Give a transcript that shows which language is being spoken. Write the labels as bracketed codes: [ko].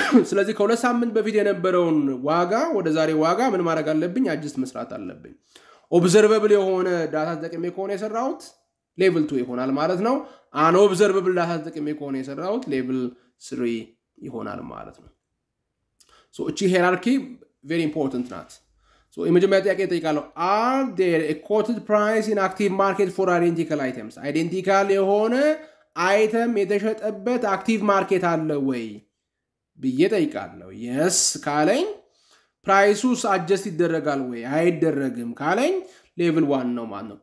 [am] ስለዚህ ከሁለት ሳምንት በፊት የነበረውን ዋጋ ወደ ዛሬ ዋጋ ምን ማድረግ አለብኝ? አጀስት መስራት አለብኝ. ኦብዘርቨብል የሆነ ዳታ ተጠቅሜ ከሆነ የሰራሁት level 2 ይሆናል ማለት ነው. አን ኦብዘርቨብል ዳታ ተጠቅሜ ከሆነ የሰራሁት level 3 ይሆናል ማለት ነው. ሶ እቺ ሄራርኪ ቬሪ ኢምፖርታንት ናት. ሶ ኢማጂናሪ ያቄ ጠይቃለሁ, [en] are there a quoted price in active market for identical items? [am] identical የሆነ አይተም የተሸጠበት active market አለ ወይ ብዬ ጠይቃለሁ. yes ካለኝ price-ውስ adjust ይደረጋል ወይ አይደረግም ካለኝ level 1 ነው ማለት ነው.